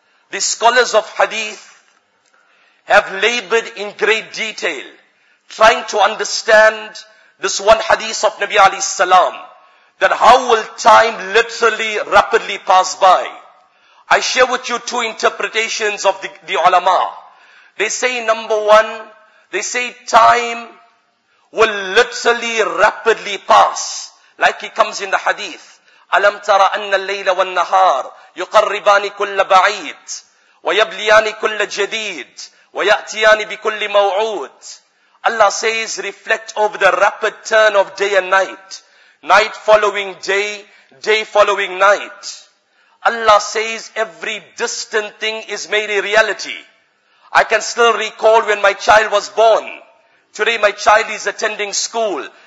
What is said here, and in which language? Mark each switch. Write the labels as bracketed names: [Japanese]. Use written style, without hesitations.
[English] The scholars of Hadith have labored in great detail, trying to understand this one Hadith of Nabi Alayhi Salam, that how will time literally rapidly pass by. I share with you two interpretations of the ulama. They say, number one, they say time will literally rapidly pass. Like he comes in the hadith, [Arabic] أَلَمْ تَرَ أَنَّ اللَّيْلَ وَالنَّهَارِ يُقَرِّبَانِ كُلَّ بَعِيدٍ وَيَبْلِيَانِ كُلَّ جَدِيدٍ وَيَأْتِيَانِ بِكُلِّ مَوْعُودٍ. [English] Allah says, reflect over the rapid turn of day and night, night following day, day following night. Allah says, every distant thing is made a reality. I can still recall when my child was born. Today my child is attending school.